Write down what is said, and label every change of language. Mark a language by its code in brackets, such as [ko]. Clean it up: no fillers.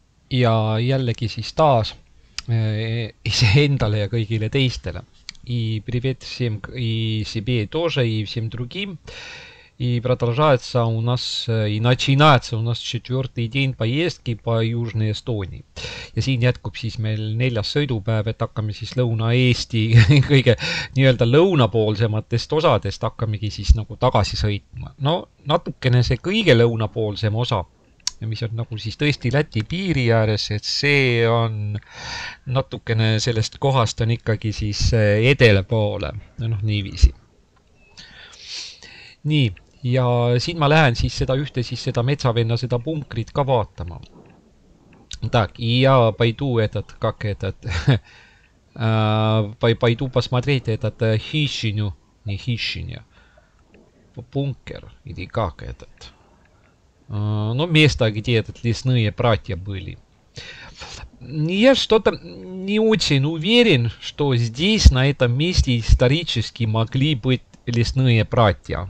[et] ja jällegi siis taas iseendale ja kõigile teistele. [ru] И привет всем и себе тоже, и всем другим. И продолжается у нас, и начинается у нас четвертый день поездки по Южной Эстонии. [et] Ja siin jätkub siis meil neljas sõidupäev, et hakkame siis Lõuna-Eesti kõige nii-öelda lõunapoolsematest osadest hakkamegi siis nagu tagasi sõitma. No natukene see kõige lõunapoolsem osa, mis on nagu siis tõesti Läti piiri ääres, et see on natukene sellest kohast on ikkagi siis edele poole, noh nii viisi. Nii, ja siin ma lähen siis seda ühte siis seda metsavenna, seda punkrit ka vaatama. [ru] Так, и я пойду этот, как этот, пойду посмотреть этот хищню, не хищня, бункер, или как этот. Ну, место, где этот лесные братья были. Я что-то не очень уверен, что здесь, на этом месте, исторически могли быть лесные братья.